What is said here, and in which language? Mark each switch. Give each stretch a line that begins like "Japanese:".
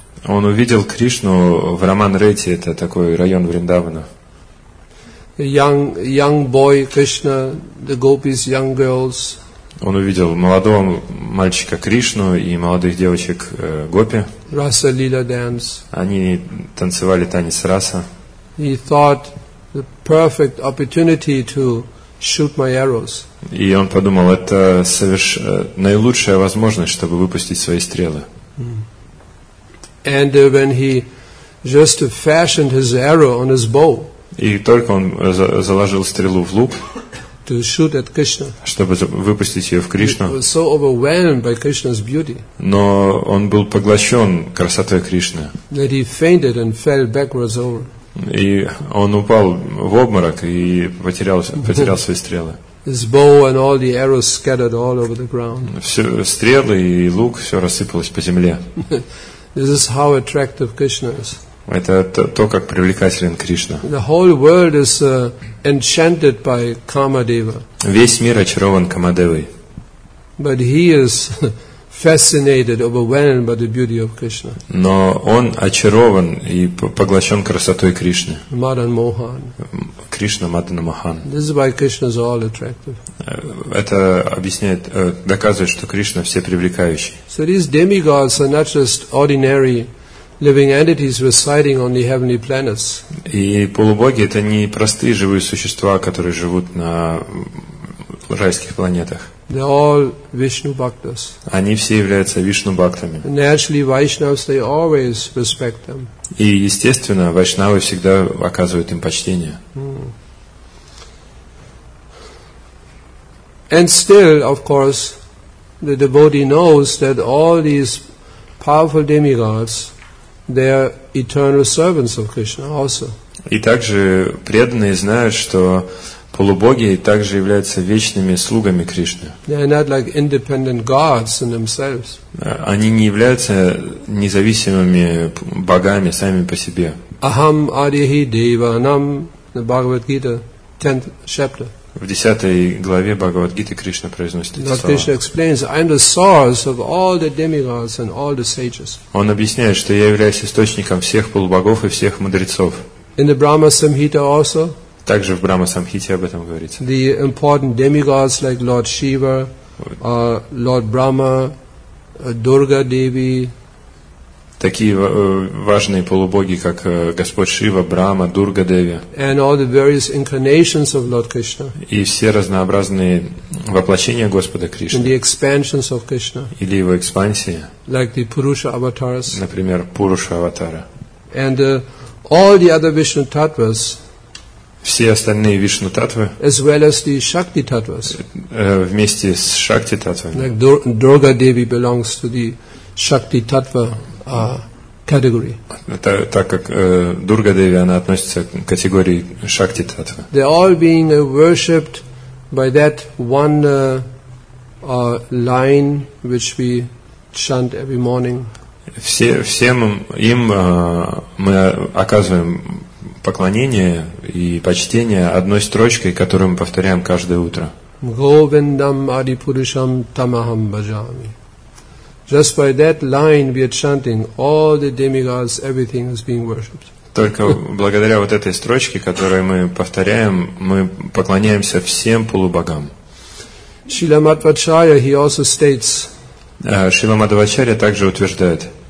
Russian: Он увидел Кришну в Раман-Рети, это такой район Вриндавана.
English: Young boy Krishna, the gopis, young girls.
Russian: Он увидел молодого мальчика Кришну и молодых девочек гопи.
English: Rasa Lila dance.
Russian: Они танцевали танец раса.
English: He thought the perfect opportunity to shoot my arrows.
Russian: И он подумал, это наилучшая возможность, чтобы выпустить свои стрелы.
English: And when he just fashioned his arrow on his bow,
Russian: И только он заложил стрелу в лук,
English: to shoot at Krishna,
Russian: чтобы выпустить ее в Кришну.
English: He was so overwhelmed by Krishna's beauty,
Russian: но он был поглощен красотой Кришны.
English: That he fainted and fell backwards over.
Russian: И он упал в обморок и потерял свои стрелы.
English: His bow and all the arrows scattered all over the ground.
Russian: Все стрелы и лук все рассыпалось по земле.
English: This is how attractive Krishna is.
Russian: Это то, как привлекателен Кришна.
English: The whole world is enchanted by Kamadeva.
Russian: Весь мир очарован Камадевой.
English: But he is fascinated, overwhelmed by the beauty of Krishna.
Russian: Но он очарован и поглощен красотой Кришны.
English: Madan Mohan.
Russian: Кришна Мадан Мохан.
English: This is why Krishna is all attractive.
Russian: Это объясняет, доказывает, что Кришна все привлекающий.
English: So these demigods are not just ordinary living entities residing on the heavenly planets.
Russian: И полубоги — это не простые живые существа, которые живут на райских планетах.
English: They all Vishnu Bhaktas.
Russian: Они все являются Вишну Бхактами.
English: Naturally, Vaishnavas, they always respect them.
Russian: И естественно, вайшнавы всегда оказывают им почтение.
English: And still, of course, the devotee knows that all these powerful demigods, they are eternal servants of Krishna also.
Russian: И также преданные знают, что полубоги также являются вечными слугами Кришны.
English: They are not like independent gods in themselves.
Russian: Они не являются независимыми богами сами по себе.
Sanskrit: Aham adihi devanam,
English: the Bhagavad Gita, 10th chapter.
Russian: В 10 главе Бхагавад Гиты Кришна произносит эти слова.
English: Krishna explains, I'm the source of all the demigods and all the sages.
Russian: Он объясняет, что я являюсь источником всех полубогов и всех мудрецов.
English: In the Brahma Samhita also.
Russian: Также в Брахма Самхите об этом говорится.
English: The important demigods like Lord Shiva, Lord Brahma, Durga Devi.
Russian: Такие важные полубоги, как Господь Шива, Брахма, Дурга Деви.
English: And all the various incarnations of Lord Krishna.
Russian: И все разнообразные воплощения Господа Кришны.
English: And the expansions of Krishna.
Russian: Или его экспансии.
English: Like the Purusha avatars.
Russian: Например, Пуруша аватара.
English: And all the other Vishnu tattvas.
Russian: Все остальные Вишну таттвы,
English: as well as the Shakti таттвас,
Russian: вместе с Шакти таттвами,
English: like Durga Devi belongs to the Shakti таттва category.
Russian: Так как Дурга Деви, она относится к категории Шакти таттва.
English: They are all being worshipped by that one line which we chant every morning.
Russian: Всем им мы оказываем поклонение и почтение одной строчкой, которую мы повторяем каждое утро.
Sanskrit: Говиндам Адипурушам Тамахам Баджами.
English: Just by that line we are chanting all the demigods, everything is being worshipped.
Russian: Только благодаря вот этой строчке, которую мы повторяем, мы поклоняемся всем полубогам.
English: Шрила Мадхвачарья, he also states.
Russian: Шрила Мадхвачарья также утверждает.